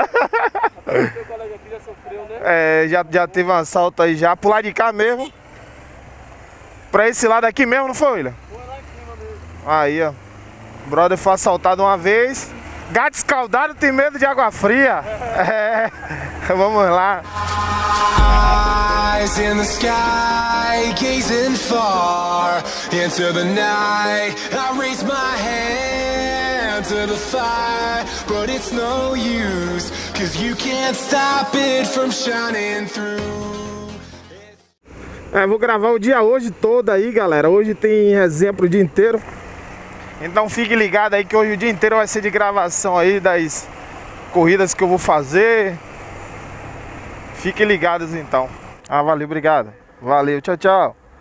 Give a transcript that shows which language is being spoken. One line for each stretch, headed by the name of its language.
Portuguese: Aqui já sofreu, né? É, já teve um assalto aí já. Pro lado de cá mesmo. Pra esse lado aqui mesmo, não foi, William? Foi lá em cima mesmo. Aí, ó. Brother foi assaltado uma vez. Gato escaldado tem medo de água fria. É. Vamos lá.
English: Eyes in the sky, gazing far into the night. I raise my hand to the fire, but it's no use. Cause you can't stop it from shining through.
Portuguese: Vou gravar o dia hoje todo aí, galera. Hoje tem exemplo o dia inteiro. Então fique ligado aí que hoje o dia inteiro vai ser de gravação aí das corridas que eu vou fazer. Fiquem ligados então. Ah, valeu, obrigado. Valeu, tchau, tchau.